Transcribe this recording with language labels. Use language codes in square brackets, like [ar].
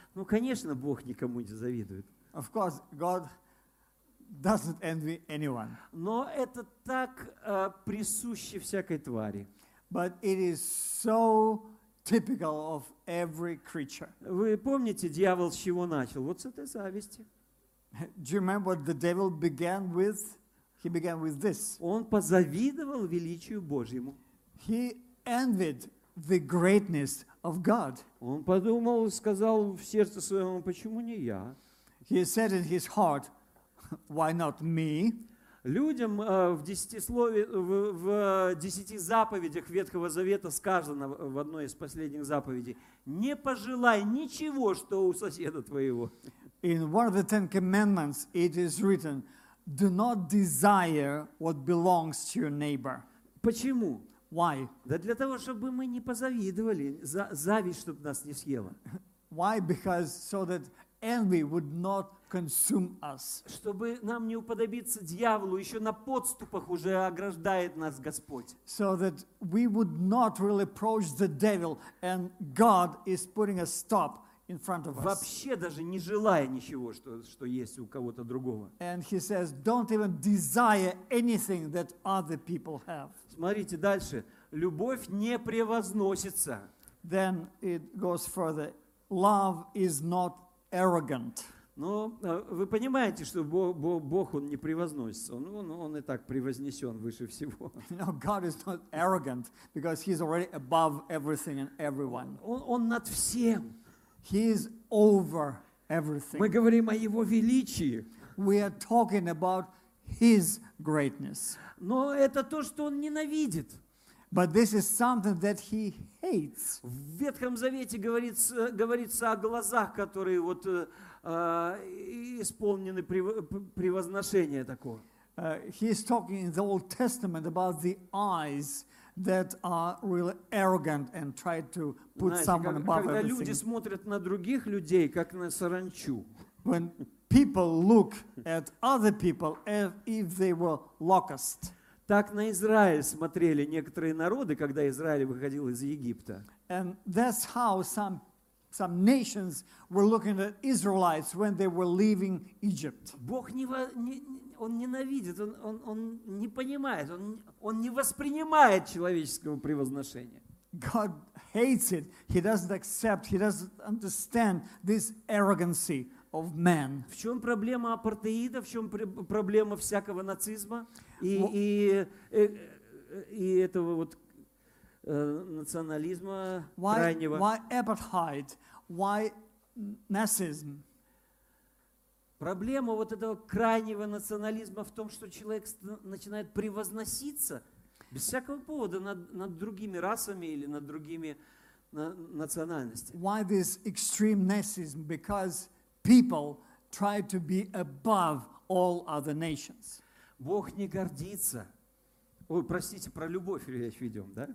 [ru] Ну, конечно, Бог никому не завидует. [en] Of course, God doesn't envy anyone. [ru] Но это так присуще всякой твари. [en] But it is so typical of every creature. [ru] Вы помните, дьявол с чего начал? Вот с этой зависти. [en] Do you remember what the devil began with? He began with this. [ru] Он позавидовал величию Божьему. [en] He envied the greatness of God. [ru] Он подумал и сказал в сердце своем: почему не я? [en] He said in his heart, why not me? [ru] Людям в десяти заповедях Ветхого Завета сказано в одной из последних заповедей: не пожелай ничего, что у соседа твоего. [en] In one of the Ten Commandments it is written, do not desire what belongs to your neighbor. [ru] Почему? [en] Why? [ru] Да для того, чтобы мы не позавидовали, зависть, чтобы нас не съела. [en] Why? Because so that envy would not consume us. [ru] Чтобы нам не уподобиться дьяволу, еще на подступах уже ограждает нас Господь. [en] So that we would not really approach the devil, and God is putting a stop in front of us. [ru] Вообще даже не желая ничего, что есть у кого-то другого. [en] And he says, don't even desire anything that other people have. [ru] Смотрите дальше. Любовь не превозносится. [en] Then it goes further. Love is not arrogant. [ru] Но вы понимаете, что Бог он не превозносится. Он и так превознесен выше всего. [en] No, God is not arrogant because he's already above everything and everyone. [ru] Он над всем. [en] He is over everything. [ru] Мы говорим о его величии. [en] We are talking about his greatness. [ru] Но это то, что он ненавидит. [en] But this is something that he hates. [ru] В Ветхом Завете говорится о глазах, которые вот исполнены превозношения такого. [en] He is talking in the Old Testament about the eyes that are really arrogant and try to put [ru] Знаете, [en] someone [ru] когда [en] above everything. [ru] Люди смотрят на других людей, как на саранчу. [en] When people look at other people as if they were locust. [ru] Так на Израиль смотрели некоторые народы, когда Израиль выходил из Египта. [en] And that's how some nations were looking at Israelites when they were leaving Egypt. [ru] Бог он ненавидит, он не понимает, он не воспринимает человеческого превозношения. [en] God hates it. He doesn't accept, he doesn't understand this arrogancy of man. [ru] В чем проблема апартеида, в чем проблема всякого нацизма и этого вот национализма крайнего? [en] Why apartheid? Why nazism? [ru] Проблема вот этого крайнего национализма в том, что человек начинает превозноситься без всякого повода над другими расами или над другими национальности. [en] Why this extreme nationalism? Because people try to be above all other nations. [ru] Бог не гордится. Ой, простите, про любовь речь ведем, да?